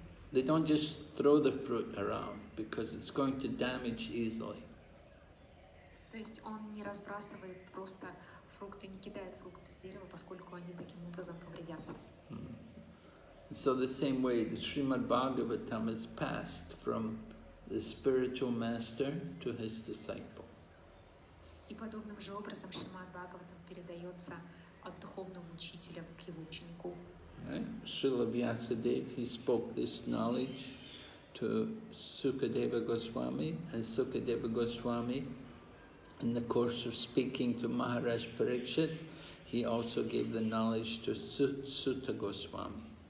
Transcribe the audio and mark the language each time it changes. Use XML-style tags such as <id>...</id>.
<en>They don't just throw the fruit around because it's going to damage easily.</en> <ru>То есть он не разбрасывает просто фрукты, не кидает фрукты с дерева, поскольку они таким образом повредятся.</ru> <en>So the same way, the Srimad Bhagavatam is passed from the spiritual master to his disciple.</en> <ru>И подобным же образом Шримад Бхагаватам передается от духовного учителя к его ученику.</ru> <en>Srila Vyasadeva, he spoke this knowledge to Sukadeva Goswami, and Sukadeva Goswami, in the course of speaking to Maharaj Parikshit, he also gave the knowledge to Sutta Goswami.</en>